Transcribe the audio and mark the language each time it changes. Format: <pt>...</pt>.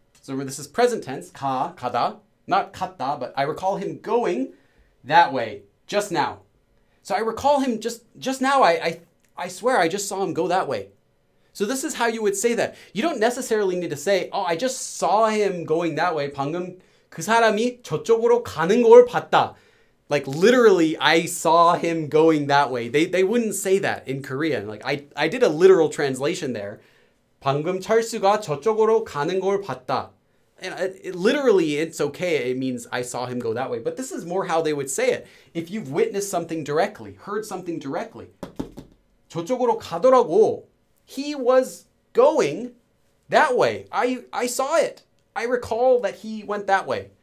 <en>So this is present tense, 가, 가다, not 갔다, but I recall him going that way just now. So I recall him just now. I swear I just saw him go that way. So this is how you would say that. You don't necessarily need to say, oh, I just saw him going that way.</en> <ko>방금 그 사람이 저쪽으로 가는 걸 봤다.</ko> <en>Like literally, I saw him going that way. They wouldn't say that in Korean. Like I did a literal translation there.</en> <ko>방금 철수가 저쪽으로 가는 걸 봤다.</ko> <en>And it, literally, it's okay. It means I saw him go that way. But this is more how they would say it. If you've witnessed something directly, heard something directly.</en> <ko>저쪽으로 가더라고.</ko> <en>He was going that way. I saw it. I recall that he went that way.</en>